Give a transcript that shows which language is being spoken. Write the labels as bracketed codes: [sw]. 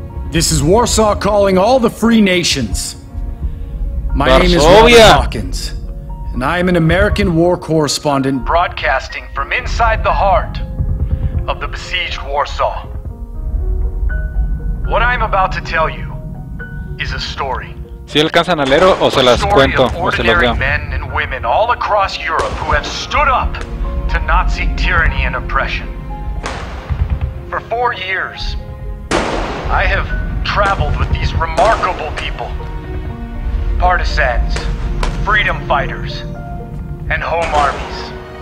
[en] This is Warsaw calling all the free nations. My name is Robert [es] Varsovia. [en] Hawkins, and I am an American war correspondent broadcasting from inside the heart of the besieged Warsaw. What I'm about to tell you is a story. [es] Si alcanzan a leer o se las cuento o se las veo. [en] Men and women all across Europe who have stood up to Nazi tyranny and oppression. For 4 years, I have traveled with these remarkable people, partisans, freedom fighters, and home armies.